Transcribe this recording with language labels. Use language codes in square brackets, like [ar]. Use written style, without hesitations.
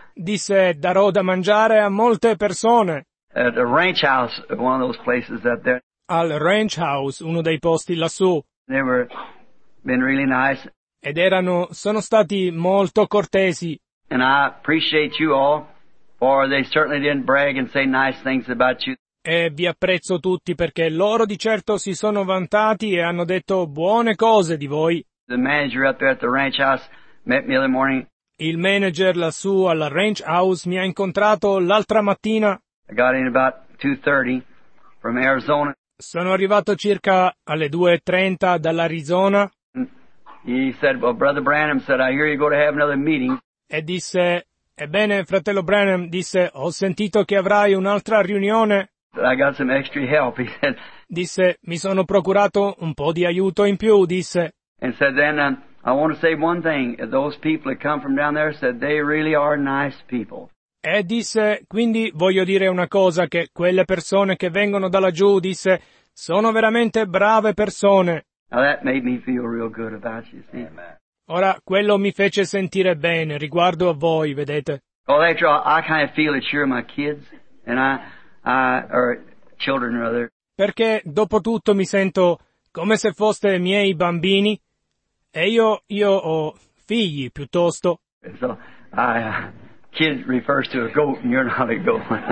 [it] Disse, darò da mangiare a molte persone. [en] At the ranch house, one of those places up there. [it] Al ranch house, uno dei posti lassù. [en] They were been really nice. [it] Ed erano, sono stati molto cortesi. [en] And I appreciate you all, for they certainly didn't brag and say nice things about you. [it] E vi apprezzo tutti perché loro di certo si sono vantati e hanno detto buone cose di voi. [en] The manager up there at the ranch house met me the other morning. [it] Il manager lassù alla ranch house mi ha incontrato l'altra mattina. [en] I got in about 2:30 from Arizona. [it] Sono arrivato circa alle 2:30 dall'Arizona. [en] He said, well, Brother Branham said, I hear you're going to have another meeting. [it] E disse, ebbene, fratello Branham, disse, ho sentito che avrai un'altra riunione. [en] But I got some extra help, he said. [it] Disse, mi sono procurato un po' di aiuto in più, disse. [en] And said, then I want to say one thing. Those people that come from down there said they really are nice people. [it] E disse, quindi voglio dire una cosa, che quelle persone che vengono da laggiù, disse, sono veramente brave persone. [en] Now that made me feel real good about you, see? [it] Ora, quello mi fece sentire bene riguardo a voi, vedete? [en] Well, after all, I kind of feel that you're my kids, and or children rather. [it] Perché, dopo tutto, mi sento come se foste miei bambini. E io ho figli piuttosto. [en] So, kid refers to a goat and you're not a goat.